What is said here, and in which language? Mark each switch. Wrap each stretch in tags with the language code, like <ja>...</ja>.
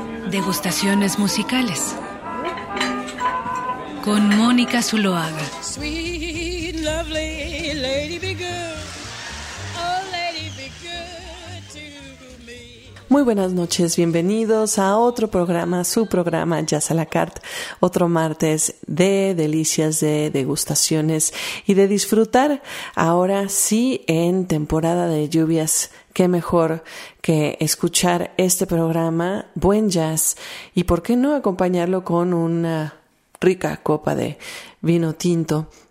<es>Degustaciones musicales. Con Mónica Zuloaga.</es> <en>Sweet, lovely lady be good. Oh, lady be good to me.</en> <es>Muy buenas noches, bienvenidos a otro programa, su programa Jazz a la Carte. Otro martes de delicias, de degustaciones y de disfrutar. Ahora sí, en temporada de lluvias, qué mejor que escuchar este programa, buen jazz, y por qué no acompañarlo con una rica copa de vino tinto,</es>